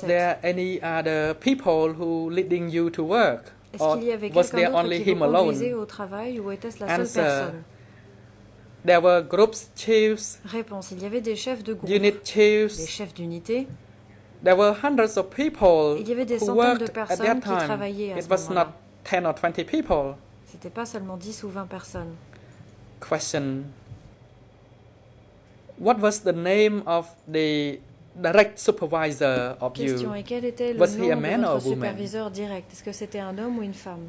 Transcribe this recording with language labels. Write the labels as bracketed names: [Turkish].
[English] there any other people who leading you to work? [French] Est-ce qu'il y avait quelqu'un d'autre qui vous conduisait au travail ou était-ce la [English] Answer. [French] Seule personne? [English] There were groups, chiefs. [French] Réponse. Il y avait des chefs de groupe. [English] Unit chiefs. [French] Des chefs d'unité. [English] There were hundreds of people. [French] Il y avait des centaines de personnes qui travaillaient à [English] It [French] ce moment-là. [English] It was not 10 or 20 people. [French] C'était pas seulement 10 ou 20 personnes. [English] Question. What was the name of the direct supervisor of you? [French] Question. Quel était le nom de votre superviseur direct? Est-ce que c'était un homme ou une femme?